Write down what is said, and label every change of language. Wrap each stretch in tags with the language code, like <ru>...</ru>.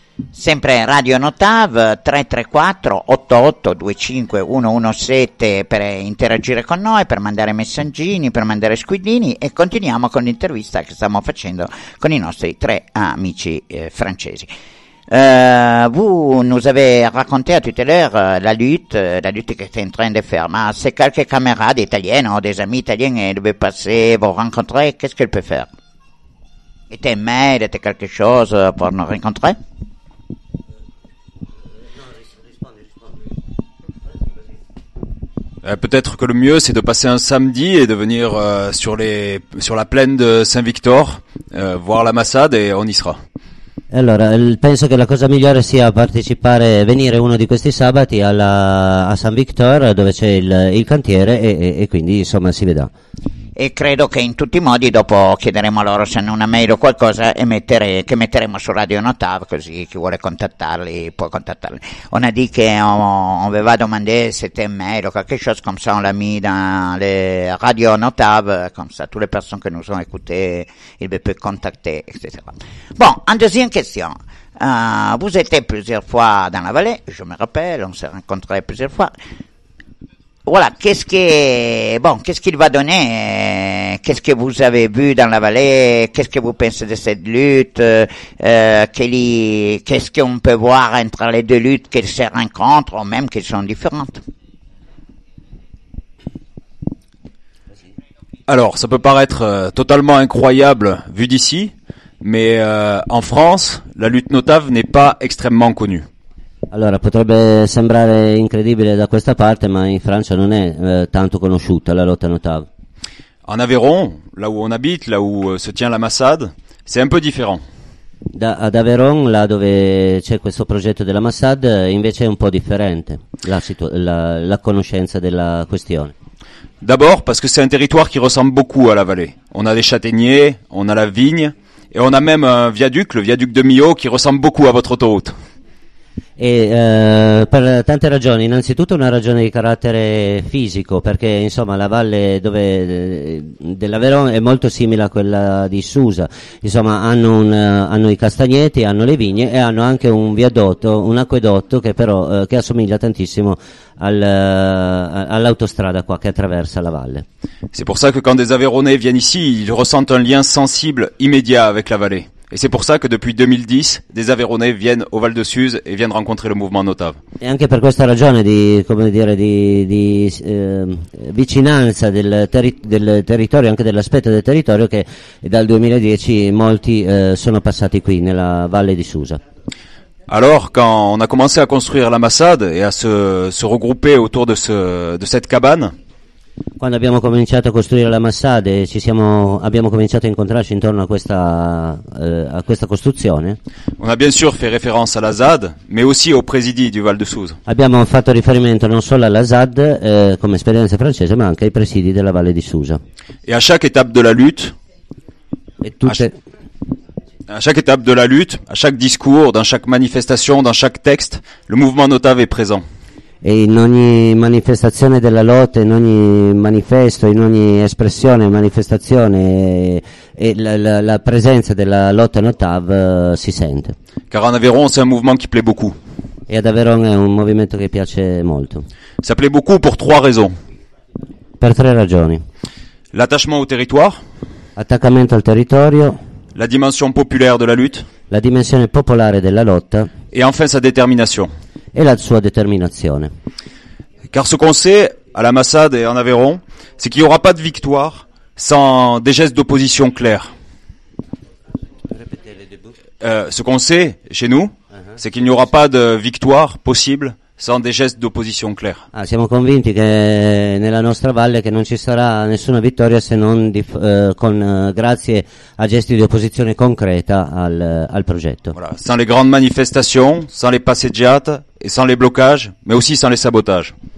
<it>sempre Radio Notav 334-88-25117 per interagire con noi, per mandare messaggini, per mandare squillini, e continuiamo con l'intervista che stiamo facendo con i nostri tre amici francesi.</it> <fr>Vous nous avez raconté à tout à l'heure la lutte que tu es en train de faire. Mais si quelques camarades italiens ou des amis italiens devaient passer, vous rencontrer, qu'est-ce qu'elle peut faire? Et t'es mail, t'es quelque chose pour nous rencontrer? Peut-être que le mieux, c'est de passer un samedi et de venir sur la plaine de Saint-Victor, voir la Massade, et on y sera.</fr> <it>Allora, penso che la cosa migliore sia partecipare, venire uno di questi sabati a San Victor, dove c'è il cantiere, e quindi insomma si vedrà. E credo che in tutti i modi dopo chiederemo a loro se hanno una mail o qualcosa che metteremo su Radio Notav, così chi vuole contattarli può contattarli.</it> <fr>On a dit qu'on va demander si t'es mail</fr> <it>o qualche</it> <fr>chose comme ça, on l'a mis dans le Radio Notav, comme ça, tous les personnes que nous ont écouté, ils peuvent contacter, etc. Bon, en deuxième question. Vous êtes plusieurs fois dans la vallée, je me rappelle, on s'est rencontrés plusieurs fois. Voilà, qu'est-ce qu'il va donner? Qu'est-ce que vous avez vu dans la vallée? Qu'est-ce que vous pensez de cette lutte? Qu'est-ce qu'on peut voir entre les deux luttes, qu'elles se rencontrent ou même qu'elles sont différentes? Alors, ça peut paraître totalement incroyable vu d'ici, mais en France, la lutte notav n'est pas extrêmement connue.</fr> <it>Allora, potrebbe sembrare incredibile da questa parte, ma in Francia non è tanto conosciuta la lotta notav.</it> <fr>En Aveyron, là où on habite, là où se tient la Massade, c'est un peu différent.</fr> <it>Ad Aveyron, là dove c'è questo progetto della Massade, invece è un po' differente la conoscenza della questione.</it> <fr>D'abord parce que c'est un territoire qui ressemble beaucoup à la vallée. On a des châtaigniers, on a la vigne, et on a même un viaduc, le viaduc de Millau, qui ressemble beaucoup à votre autoroute.</fr> <it>E per tante ragioni, innanzitutto una ragione di carattere fisico, perché insomma la valle dove della Verona è molto simile a quella di Susa, insomma hanno i castagneti, hanno le vigne e hanno anche un viadotto, un acquedotto che però che assomiglia tantissimo all'autostrada qua che attraversa la valle.</it> <fr>C'est pour ça que quand des Aveyronais viennent ici, ils ressentent un lien sensible immédiat avec la vallée. Et c'est pour ça que depuis 2010, des Aveyronais viennent au Val de Suse et viennent rencontrer le mouvement notav.</fr> <it>Et anche per questa ragione di, come dire, di vicinanza del territorio, anche dell'aspetto del territorio, che dal 2010 molti sono passati qui nella Valle di Susa.</it> <fr>Alors, quand on a commencé à construire la Massade et à se regrouper autour de cette cabane.</fr> <it>Quando abbiamo cominciato a costruire la Massade, abbiamo cominciato a incontrarci intorno a questa costruzione.</it> <fr>On a bien sûr fait référence à la ZAD, mais aussi au présidi du Val de Susa.</fr> <it>Abbiamo fatto riferimento non solo alla ZAD come esperienza francese, ma anche ai presidi della Valle di Susa.</it> <fr>Et à chaque étape de la lutte. À chaque étape de la lutte, à chaque discours, dans chaque manifestation, dans chaque texte, le mouvement notav est présent.</fr> <it>E in ogni manifestazione della lotta, in ogni manifesto, in ogni espressione, manifestazione, la presenza della lotta notav si sente.</it> <fr>Car en Aveyron, c'est un mouvement qui plaît beaucoup.</fr> <it>E ad Aveyron è un movimento che piace molto.</it> <fr>Ça plaît beaucoup pour trois raisons.</fr> <it>Per tre ragioni.</it> <fr>L'attachement au territoire.</fr> <it>Attaccamento al territorio.</it> <fr>La dimension populaire de la lutte.</fr> <it>La dimensione popolare della lotta.</it> <fr>Et enfin sa détermination.</fr> <it>Et la sua déterminazione.</it> <fr>Car ce qu'on sait à la Massade et en Aveyron, c'est qu'il n'y aura pas de victoire sans des gestes d'opposition clairs. Ce qu'on sait chez nous, c'est qu'il n'y aura pas de victoire possible sans des gestes d'opposition clairs.</fr> <it>Ah, siamo convinti che nella nostra valle che non ci sarà nessuna vittoria se non grazie a gesti di opposizione concreta al progetto.</it> <fr>Voilà. Sans les grandes manifestations, sans les passeggiate et sans les blocages, mais aussi sans les sabotages.</fr>